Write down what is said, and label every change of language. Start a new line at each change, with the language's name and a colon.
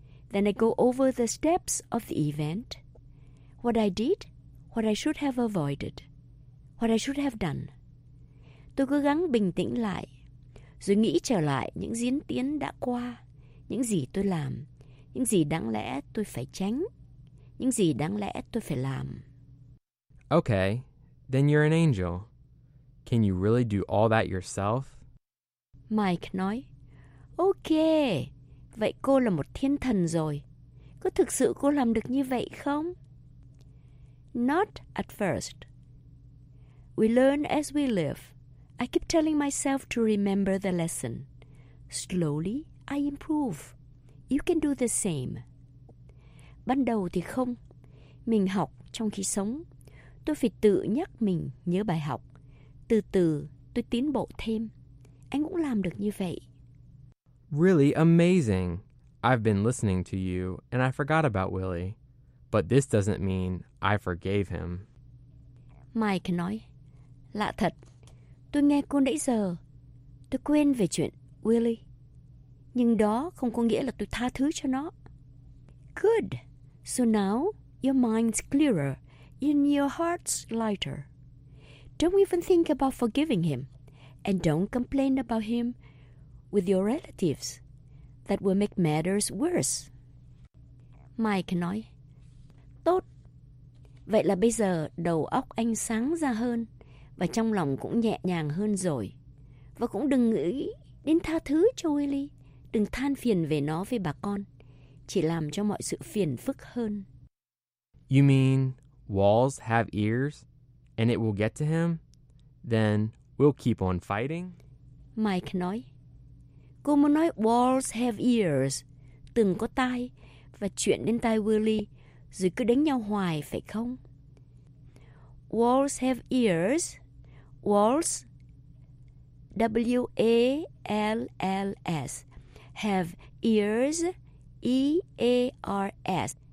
English: Then I go over the steps of the event. What I did, what I should have avoided, what I should have done.
Vietnamese: Tôi cố gắng bình tĩnh lại, rồi nghĩ trở lại những diễn tiến đã qua, những gì tôi làm, những gì đáng lẽ tôi phải tránh, những gì đáng lẽ tôi phải làm.
English: Okay, then you're an angel. Can you really do all that yourself?
Vietnamese: Mike nói, Okay. Vậy cô là một thiên thần rồi. Có thực sự cô làm được như vậy không?
English: Not at first. We learn as we live. I keep telling myself to remember the lesson. Slowly, I improve. You can do the same.
Vietnamese: Ban đầu thì không. Mình học trong khi sống. Tôi phải tự nhắc mình nhớ bài học. Từ từ, tôi tiến bộ thêm. Anh cũng làm được như vậy.
English: Really amazing. I've been listening to you, and I forgot about Willie. But this doesn't mean I forgave him.
Vietnamese: Mike nói, Lạ thật, tôi nghe cô nãy giờ. Tôi quên về chuyện Willie. Nhưng đó không có nghĩa là tôi tha thứ cho nó.
English: Good. So now your mind's clearer, and your heart's lighter. Don't even think about forgiving him. And don't complain about him with your relatives. That will make matters worse.
Vietnamese: Mike nói. Tốt. Vậy là bây giờ đầu óc anh sáng ra hơn và trong lòng cũng nhẹ nhàng hơn rồi. Và cũng đừng nghĩ đến tha thứ cho Willy. Đừng than phiền về nó với bà con. Chỉ làm cho mọi sự phiền phức hơn.
English: You mean walls have ears and it will get to him? Then we'll keep on fighting?
Vietnamese: Mike nói. Cô muốn nói
English: walls have ears,
Vietnamese: từng có tai, và chuyện đến tai Willy rồi cứ đánh nhau hoài, phải không?
English: Walls have ears. Walls, W-A-L-L-S, have ears, E-A-R-S.